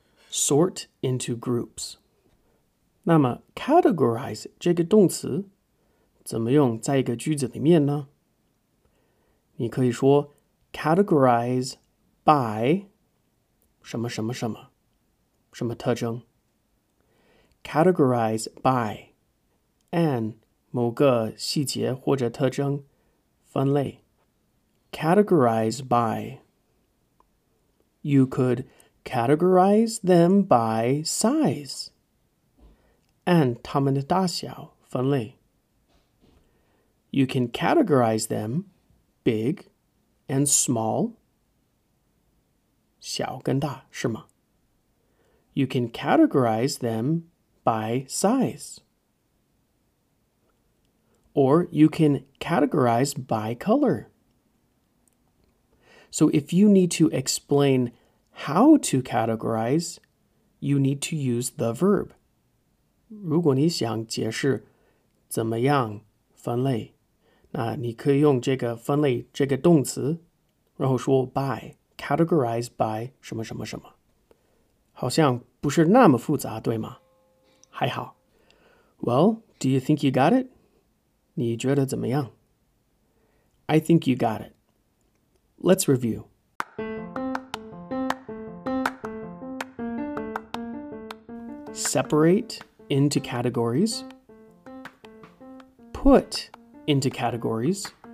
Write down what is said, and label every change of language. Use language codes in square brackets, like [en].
[en] Sort into groups. [zh] 那么 categorize 这个动词怎么用在一个句子里面呢？你可以说 [en] categorize by [zh] 什么什么什么，什么特征？ [en] Categorize by and [zh] 某个细节或者特征分类 [en] categorize by. You could categorize them by size. And [zh] 他们的大小分类 [en] You can categorize them big and small. [zh] 小跟大是吗 [en] You can categorize them by size. Or you can categorize by color. So if you need to explain how to categorize, you need to use the verb. [zh] 如果你想解释怎么样分类，那你可以用这个分类这个动词，然后说 by, [en] categorize by [zh] 什么什么什么。好像不是那么复杂，对吗？还好。 [en] Well, do you think you got it? [zh] 你觉得怎么样? [en] I think you got it. Let's review. Separate into categories. Put into categories.